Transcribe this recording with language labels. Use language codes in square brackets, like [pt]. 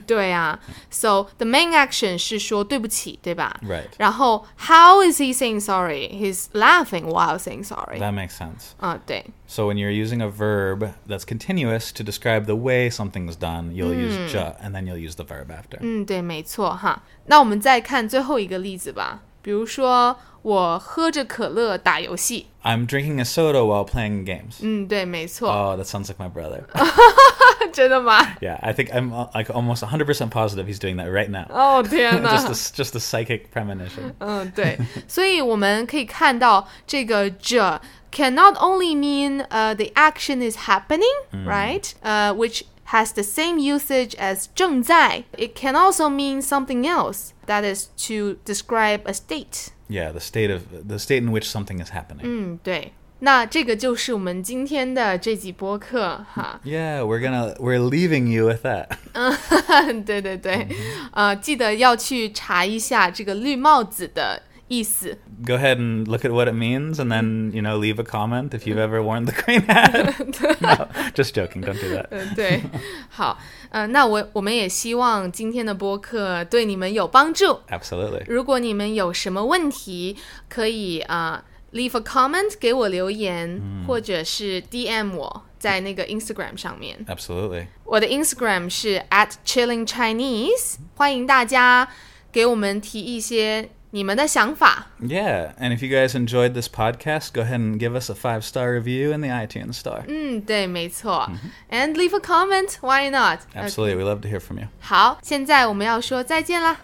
[zh] 对啊。 [en] So the main action [zh] 是说对不起，对吧？ [en] Right. [zh] 然后 [en] how is he saying sorry? He's laughing while saying sorry. That makes sense. [zh] 对。 [en] So when you're using a verb that's continuous to describe the way something's done, you'll use 着 and then you'll use the verb after. [zh] 嗯，对，没错哈。那我们再看最后一个例子吧。比如说我喝着可乐打游戏。 [en] I'm drinking a soda while playing games. [zh] 嗯，对，没错。 [en] Oh, that sounds like my brother. [zh] 真的吗? [en] Yeah, I think I'm like almost 100% positive he's doing that right now. [zh] Oh, 天哪。 [en] just a psychic premonition. [zh] 对。所以我们可以看到这个着 [en] can not only mean the action is happening, right? Which has the same usage as 正在.It can also mean something else, that is to describe a state. Yeah, the state in which something is happening. [zh] 嗯，对，那这个就是我们今天的这集播客哈。 [en] Yeah, we're leaving you with that. [zh] 对对对，记得要去查一下这个绿帽子的意思。 [en] Go ahead and look at what it means, and then you know, leave a comment if you've ever worn the green hat. No, just joking. Don't do that. [zh] 对，好。那我们也希望今天的播客对你们有帮助。 [en] Absolutely. [zh] 如果你们有什么问题，可以 [en] leave a comment [zh] 给我留言，或者是 DM 我在那个 Instagram 上面。 [en] Absolutely. [zh] 我的 Instagram 是 @chillingchinese， 欢迎大家给我们提一些你们的想法。 [en] Yeah, and if you guys enjoyed this podcast, go ahead and give us a 5-star review in the iTunes store. [zh] 嗯，对，没错。 [en] And leave a comment, why not? Absolutely, okay. We love to hear from you. [zh] 好，现在我们要说再见啦。